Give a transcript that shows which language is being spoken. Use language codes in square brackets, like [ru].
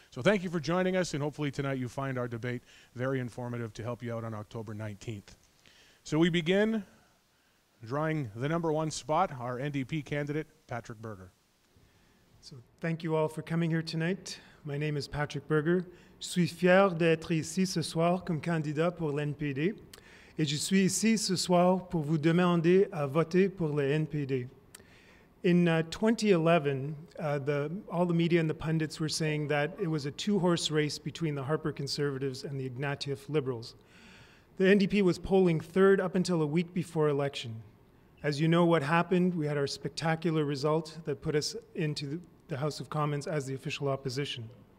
[en] So thank you for joining us, and hopefully tonight you find our debate very informative to help you out on October 19th. So we begin drawing the number one spot, our NDP candidate, Patrick Berger. So thank you all for coming here tonight. My name is Patrick Berger. [fr] Je suis fier d'être ici ce soir comme candidat pour l'NPD, et je suis ici ce soir pour vous demander à voter pour le NPD. [en] In 2011, all the media and the pundits were saying that it was a two-horse race between the Harper Conservatives and the Ignatieff Liberals. The NDP was polling third up until a week before election. As you know what happened, we had our spectacular result that put us into the House of Commons as the official opposition.